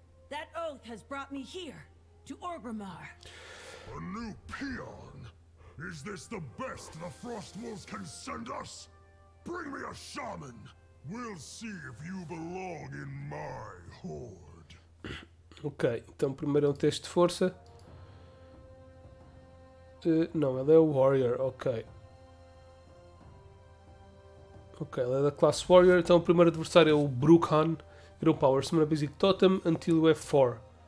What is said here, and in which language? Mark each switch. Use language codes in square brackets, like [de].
[en] That oath has brought me here to Orgrimmar. A new peon? Is this the best the Frostwolves can send us? Bring me a shaman. We'll see if you belong in my horde. [pt] Ok, então primeiro é um teste de força. Não, ela é o Warrior, ok. Ok, ela é da classe Warrior, então o primeiro adversário é o Brookhan. [en] Grow power, summon a basic totem until you have 4.